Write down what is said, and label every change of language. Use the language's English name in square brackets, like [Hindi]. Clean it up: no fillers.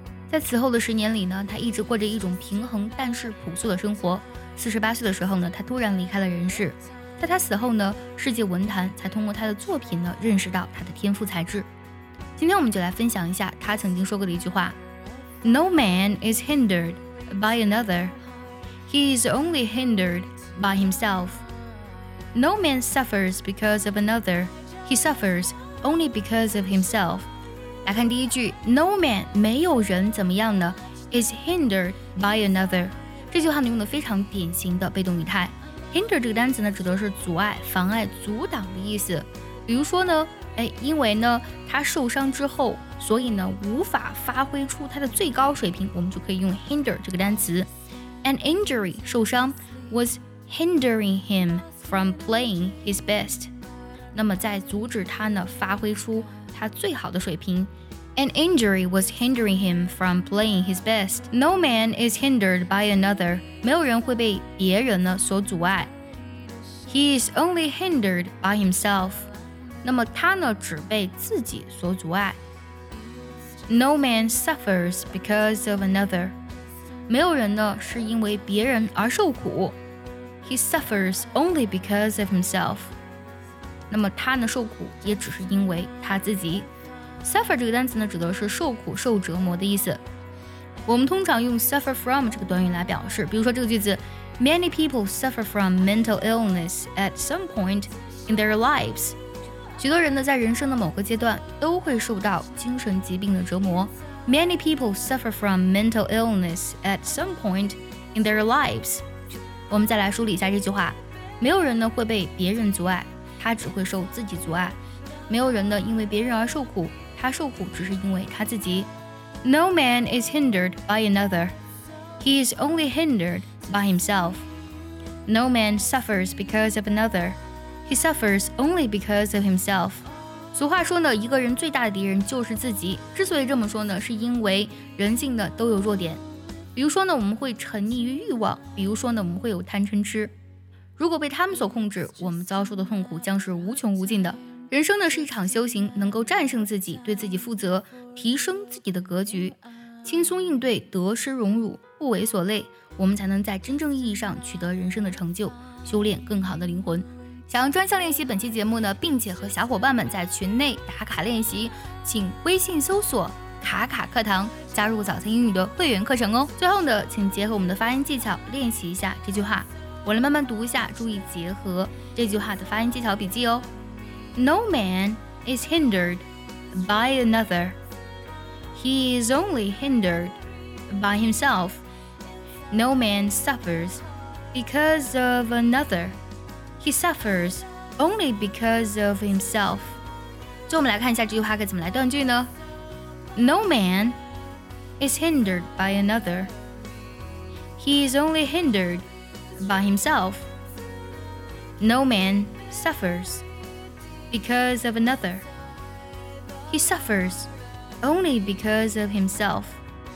[Chinese] 在此后的十年里呢他一直过着一种平衡但是朴素的生活48岁的时候呢他突然离开了人世在他死后呢世界文坛才通过他的作品呢认识到他的天赋才智今天我们就来分享一下他曾经说过的一句话 [English] No man is hindered by anotherHe is only hindered by himself. No man suffers because of another. He suffers only because of himself. [Chinese] 来看第一句 [English] No man, [Chinese] 没有人怎么样呢 [English] is hindered by another. [Chinese] 这句话呢用的非常典型的被动语态。Hinder 这个单词呢指的是阻碍、妨碍、阻挡的意思。比如说呢、因为呢他受伤之后所以呢无法发挥出他的最高水平我们就可以用 hinder 这个单词。 [English] An injury, [Chinese] 受伤 [English] was hindering him from playing his best. [Chinese] 那么在阻止他呢发挥出他最好的水平 [English] An injury was hindering him from playing his best. No man is hindered by another. [Chinese] 没有人会被别人呢所阻碍 [English] He is only hindered by himself. [Chinese] 那么他呢只被自己所阻碍 [English] No man suffers because of another. [Chinese] 没有人呢是因为别人而受苦 [English] He suffers only because of himself [Chinese] 那么他呢受苦也只是因为他自己 Suffer 这个单词呢指的是受苦受折磨的意思我们通常用 [English] suffer from [Chinese] 这个短语来表示比如说这个句子 [English] Many people suffer from mental illness at some point in their lives [Chinese] 许多人呢在人生的某个阶段都会受到精神疾病的折磨 [English] Many people suffer from mental illness at some point in their lives. [Chinese] 我们再来梳理一下这句话。没有人呢会被别人阻碍，他只会受自己阻碍。没有人呢因为别人而受苦，他受苦只是因为他自己。 [English] No man is hindered by another. He is only hindered by himself. No man suffers because of another. He suffers only because of himself. [Chinese] 俗话说呢，一个人最大的敌人就是自己。之所以这么说呢，是因为人性呢都有弱点。比如说呢，我们会沉溺于欲望；比如说呢，我们会有贪嗔痴。如果被他们所控制，我们遭受的痛苦将是无穷无尽的。人生呢是一场修行，能够战胜自己，对自己负责，提升自己的格局，轻松应对得失荣辱，不为所累，我们才能在真正意义上取得人生的成就，修炼更好的灵魂。想要专项练习本期节目呢，并且和小伙伴们在群内打卡练习，请微信搜索卡卡课堂，加入早餐英语的会员课程哦。最后呢，请结合我们的发音技巧练习一下这句话。我来慢慢读一下，注意结合这句话的发音技巧笔记哦。 [English] No man is hindered by another. He is only hindered by himself. No man suffers because of another. He suffers only because of himself. [Chinese] 就我们来看一下这句话该怎么来断句呢 No man is hindered by another. [English] He is only hindered by himself. No man suffers because of another. He suffers only because of himself.